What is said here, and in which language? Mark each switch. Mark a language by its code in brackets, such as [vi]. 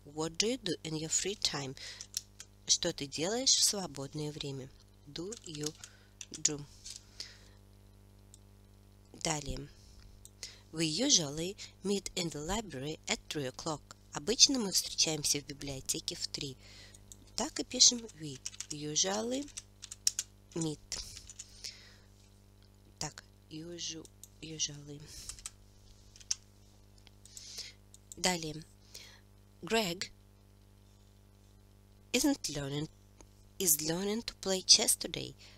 [en] What do you do in your free time? [ru] Что ты делаешь в свободное время? [en] Do you do? [ru] Далее. [en] We usually meet in the library at 3 o'clock. [ru] Обычно мы встречаемся в библиотеке в 3. Так и пишем [en] we usually meet. [ru] Так, usually. [en] Далее. Greg is learning to play chess today.